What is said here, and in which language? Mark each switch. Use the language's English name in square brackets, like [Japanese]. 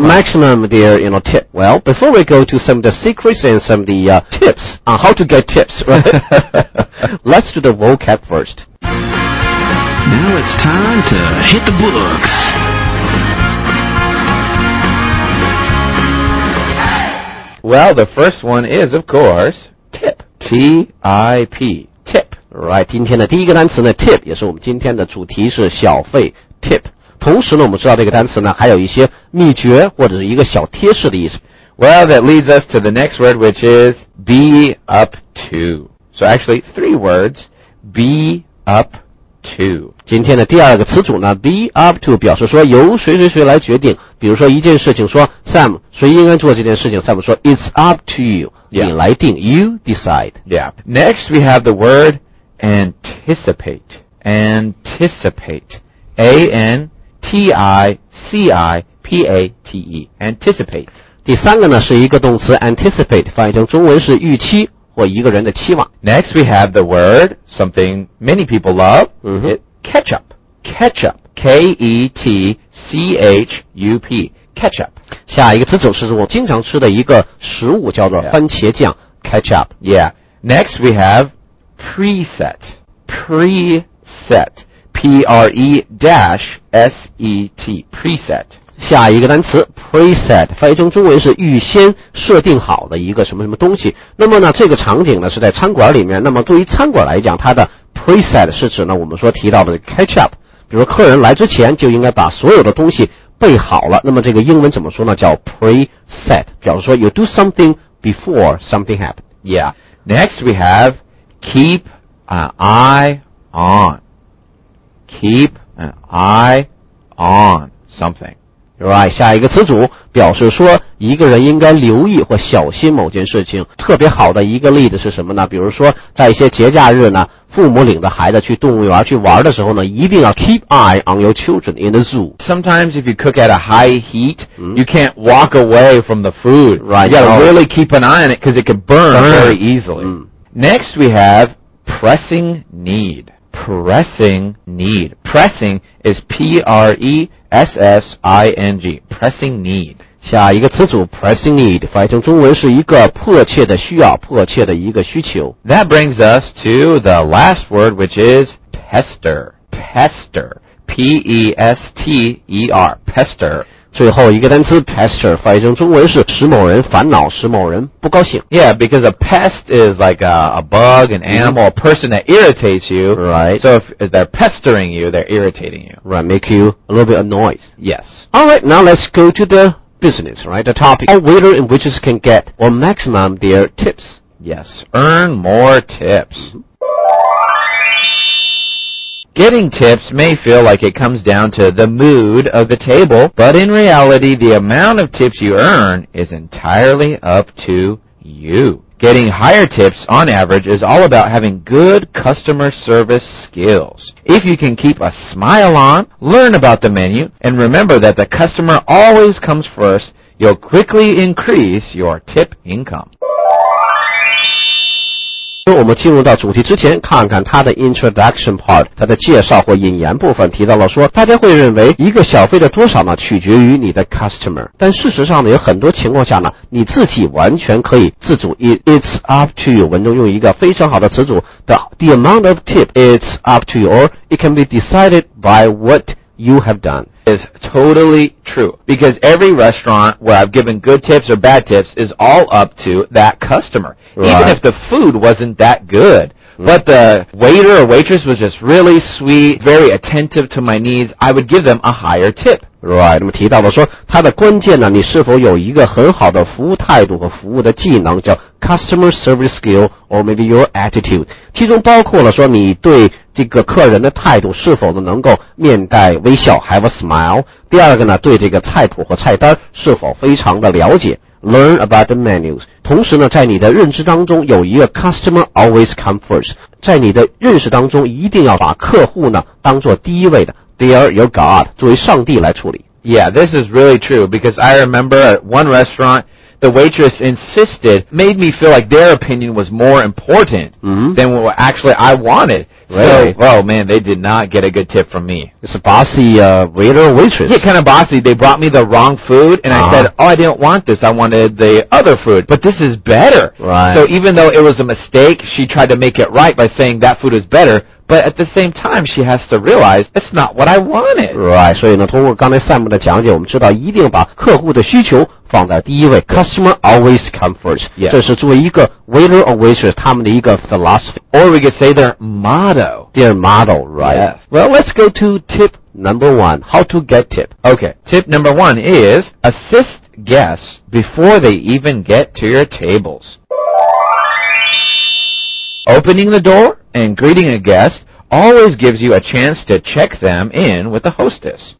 [English] Maximum their, you know, tip. Well, before we go to some of the secrets and some of the, tips on how to get tips, right? Let's do the vocab first. Now it's time to hit the books. Well, the first one is, of course, tip. T-I-P. Tip. Right. [Chinese] 今天的第一个单词呢 ,tip, 也是我们今天的主题是小费 ,tip. 同时呢我们知道这个单词呢还有一些秘诀或者是一个小贴士的意思。 [English] Well, that leads us to the next word, which is be up to. So actually, three words. Be up to. [Chinese] 今天的第二个词组呢 ,be up to 表示说由谁谁谁来决定。比如说一件事情说 Sam, 谁应该做这件事情 Sam 说 [English] It's up to you、 yeah. [Chinese] 你来定 [English] You decide Yeah Next we have the word Anticipate Anticipate A-N-T-I-C-I-P-A-T-E Anticipate [Chinese] 第三个呢是一个动词 Anticipate 翻译成中文是预期或一个人的期望 [English] Next we have the word Something many people love、 mm-hmm. Catch up Catch up K-E-T-C-H-U-P, ketchup. [Chinese] 下一个词组是我经常吃的一个食物叫做番茄酱 ,ketchup. [English] Yeah. Next we have preset. Preset. P-R-E-S-E-T. Preset. [Chinese] 下一个单词 preset 翻译成中文是预先设定好的一个什么什么东西。那么呢，这个场景呢是在餐馆里面。那么对于餐馆来讲，它的 preset 是指呢我们说提到的 ketchup， 比如说客人来之前就应该把所有的东西备好了。那么这个英文怎么说呢？ [English] 叫 preset， [Chinese] 表示说 [English] you do something before something happens. Yeah. Next we have keep an eye on. Keep an eye on something. Right, [Chinese] 下一个词组表示说一个人应该留意或小心某件事情。特别好的一个例子是什么呢？比如说在一些节假日呢，父母领着孩子去动物园去玩的时候呢，一定要 [English] keep eye on your children in the zoo. Sometimes if you cook at a high heat, you can't walk away from the food. Right, you gotta really keep an eye on it because it could burn very easily. Next we have pressing need. Pressing need. Pressing is P-R-E. S-S-I-N-G, pressing need. [Chinese] 下一个词组 pressing need, 翻译成中文是一个迫切的需要，迫切的一个需求。 [English] That brings us to the last word, which is pester. Pester. P-E-S-T-E-R, pester. [Chinese] 最后一个单词 pester, 翻译成中文是使某人烦恼，使某人不高兴。 [English] Yeah, because a pest is like a bug, an animal, a person that irritates you. Right. So if they're pestering you, they're irritating you. Right, make you a little bit annoyed. Yes. Alright, now let's go to the business, right, the topic. How waiter and waitress can get or maximum their tips. Yes, earn more tips. Getting tips may feel like it comes down to the mood of the table, but in reality, the amount of tips you earn is entirely up to you. Getting higher tips, on average, is all about having good customer service skills. If you can keep a smile on, learn about the menu, and remember that the customer always comes first, you'll quickly increase your tip income. [Chinese] 我们进入到主题之前，看看它的 [English] introduction part， [Chinese] 它的介绍或引言部分提到了说，大家会认为一个小费的多少呢，取决于你的 customer， 但事实上呢，有很多情况下呢，你自己完全可以自主。 [English] It's up to you， [Chinese] 文中用一个非常好的词组 [English] the amount of tip is up to you， or it can be decided by what you have done。 Is totally true. Because every restaurant where I've given good tips or bad tips is all up to that customer. Right. Even if the food wasn't that good, but the waiter or waitress was just really sweet, very attentive to my needs, I would give them a higher tip. Right. [Chinese] 那么提到了说，它的关键呢，你是否有一个很好的服务态度和服务的技能，叫 [English] customer service skill or maybe your attitude. [Chinese] 其中包括了说你对这个客人的态度是否能够面带微笑 , [English] have a smile. [Chinese] 第二个呢，对这个菜谱和菜单是否非常的了解 , [English] learn about the menus. [Chinese] 同时呢，在你的认知当中有一个 [English] customer always come first. [Chinese] 在你的认识当中一定要把客户呢当作第一位的 , [English] they are your God, [Chinese] 作为上帝来处理。 [English] Yeah, this is really true, because I remember at one restaurant,The waitress insisted, made me feel like their opinion was more important than what actually I wanted. Really? So, oh man, they did not get a good tip from me. It's a bossy waiter or waitress. Yeah, kind of bossy. They brought me the wrong food, and I said, oh, I didn't want this. I wanted the other food. But this is better. Right. So even though it was a mistake, she tried to make it right by saying that food is better. But at the same time, she has to realize it's not what I wanted. Right. [Chinese] 所以呢，通过刚才 Sam 的讲解，我们知道一定把客户的需求放在第一位。 [English] Customer always comes first. Yeah. [Chinese] 这是作为一个 [English] waiter or waitress [Chinese] 他们的一个 philosophy. [English] Or we could say their motto. Their motto, right. Yes. Well, let's go to tip number one. How to get tip. Okay. Tip number one is assist guests before they even get to your tables. Opening the door. And greeting a guest always gives you a chance to check them in with the hostess.